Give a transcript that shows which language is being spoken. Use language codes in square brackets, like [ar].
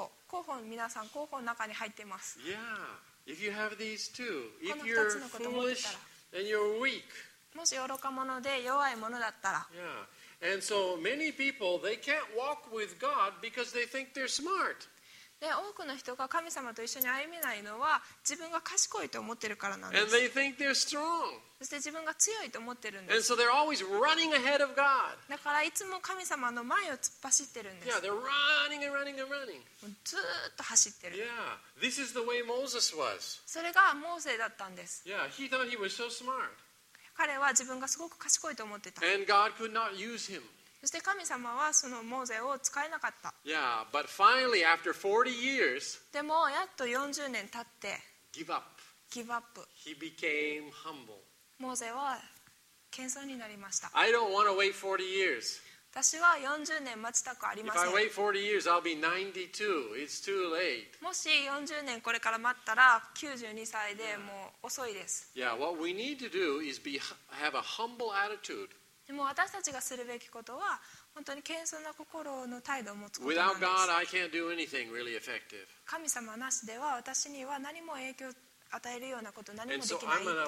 [ja] 候補皆さん候補の中に入っています。 [en] Yeah. If you have these two, if you're foolish and you're weak, [ja] もし愚か者で弱いものだったら、 [en] Yeah. And so many people, they can't walk with God because they think they're smart. [ja] で多くの人が神様と一緒に歩めないのは自分が賢いと思ってるからなんです。 [en] And they think they're strong. [ja] そして自分が強いと思ってるんです。 [en] And so they're always running ahead of God. [ja] だからいつも神様の前を突っ走ってるんです。 [en] Yeah, they're running and running and running. [ja] ずっと走ってる。 [en] Yeah, this is the way Moses was. [ja] それがモーセだったんです。 [en] Yeah, he thought he was so smart. [ja] 彼は自分がすごく賢いと思ってた。 [en] And God could not use him. [ja] そして神様はそのモーゼを使えなかった。 [en] Yeah, but finally after 40 years, [ja] でもやっと40年経って [en] give up. Give up. He became humble. [ja] モーゼは謙遜になりました。 [en] I don't want to wait 40 years. [ja] 私は40年待ちたくありません。 [en] If I wait 40 years, I'll be 92. It's too late. [ja] もし40年これから待ったら92歳でもう遅いです。 [en] Yeah, what we need to do is have a humble attitude. [ja] でも私たちがするべきことは本当に謙遜な心の態度を持つことなんです。 [en] Without God, I can't do anything really effective. [ja] 神様なしでは私には何も影響与えるようなこと何もできない。